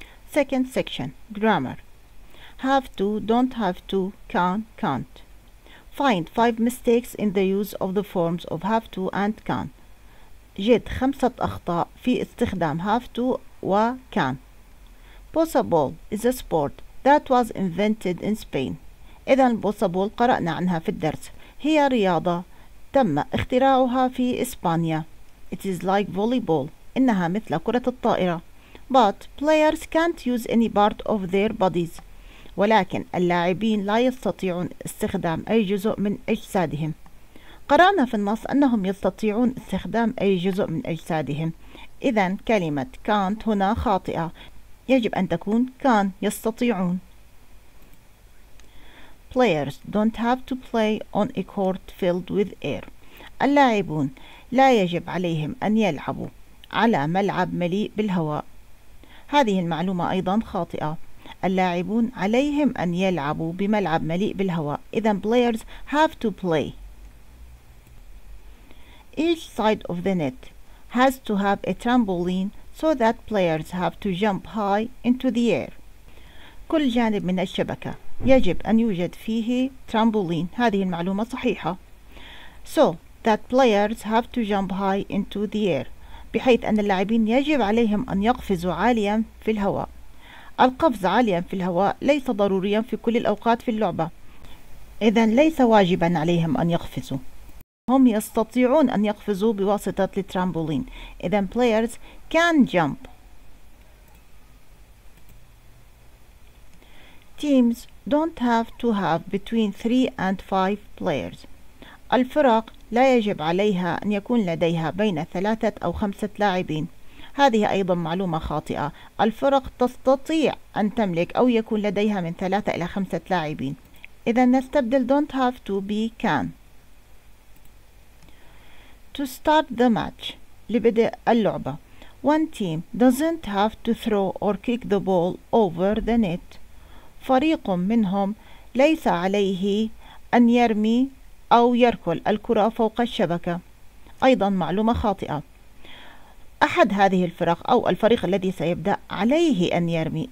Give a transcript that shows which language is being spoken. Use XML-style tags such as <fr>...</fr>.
<en>Second section, grammar. Have to, don't have to, can, can't. Find 5 mistakes in the use of the forms of have to and can.</en> <ar>جد 5 أخطاء في استخدام have to و can.</ar> <en>Possible is a sport that was invented in Spain.</en> <ar>إذن possible قرأنا عنها في الدرس. هي رياضة تم اختراعها في إسبانيا.</ar> <en>It is like volleyball.</en> <ar>إنها مثل كرة الطائرة.</ar> <en>But players can't use any part of their bodies.</en> <ar>ولكن اللاعبين لا يستطيعون استخدام أي جزء من أجسادهم. قرأنا في النص أنهم يستطيعون استخدام أي جزء من أجسادهم. إذن كلمة can't هنا خاطئة. يجب أن تكون can يستطيعون.</ar> <en>Players don't have to play on a court filled with air.</en> <ar>اللاعبون لا يجب عليهم أن يلعبوا على ملعب مليء بالهواء. هذه المعلومة أيضا خاطئة. اللاعبون عليهم أن يلعبوا بملعب مليء بالهواء.</ar> <en>إذن players have to play. Each side of the net has to have a trampoline so that players have to jump high into the air.</en> <ar>كل جانب من الشبكة يجب أن يوجد فيه trampoline. هذه المعلومة صحيحة.</ar> <en>So that players have to jump high into the air.</en> <ar>بحيث أن اللاعبين يجب عليهم أن يقفزوا عاليا في الهواء. القفز عاليا في الهواء ليس ضروريا في كل الأوقات في اللعبة. إذن ليس واجبا عليهم أن يقفزوا. هم يستطيعون أن يقفزوا بواسطة الترامبولين.</ar> <en>إذن players can jump. Teams don't have to have between 3 and 5 players.</en> <ar>الفرق لا يجب عليها أن يكون لديها بين 3 أو 5 لاعبين. هذه أيضا معلومة خاطئة. الفرق تستطيع أن تملك أو يكون لديها من 3 إلى 5 لاعبين. إذا نستبدل don't have to be can.</ar> <en>To start the match.</en> <ar>لبدء اللعبة.</ar> <en>One team doesn't have to throw or kick the ball over the net.</en> <ar>فريق منهم ليس عليه أن يرمي أو يركل الكرة فوق الشبكة. أيضا معلومة خاطئة. أحد هذه الفرق أو الفريق الذي سيبدأ عليه أن يرمي.</ar>